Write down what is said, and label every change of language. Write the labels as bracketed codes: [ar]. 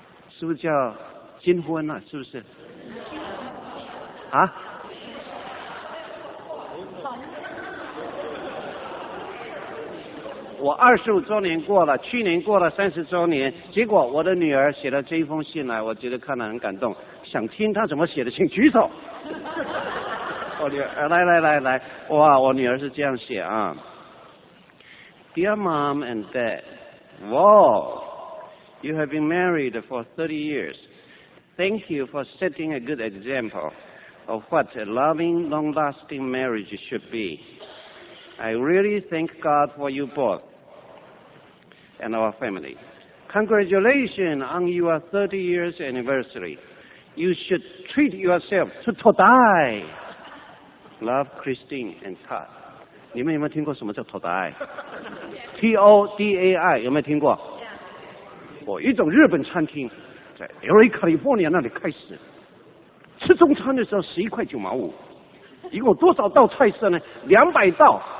[zh] 是不是叫金婚啊？是不是？啊？我二十五周年过了，去年过了三十周年，结果我的女儿写了这一封信来，我觉得看了很感动，想听她怎么写的，请举手。 [en] 我女儿，来来来来，哇，我女儿是这样写啊，Dear mom and dad, wow, you have been married for 30 years. Thank you for setting a good example of what a loving, long-lasting marriage should be. I really thank God for you both and our family. Congratulations on your 30 years anniversary. You should treat yourself to todai. Love, Christine and Todd. [zh] 你们有没有听过什么叫 todai? T-O-D-A-I, 有没有听过？我一种日本餐厅在 LA California 那里开始。吃中餐的时候11.95块。一共多少道菜色呢？200道。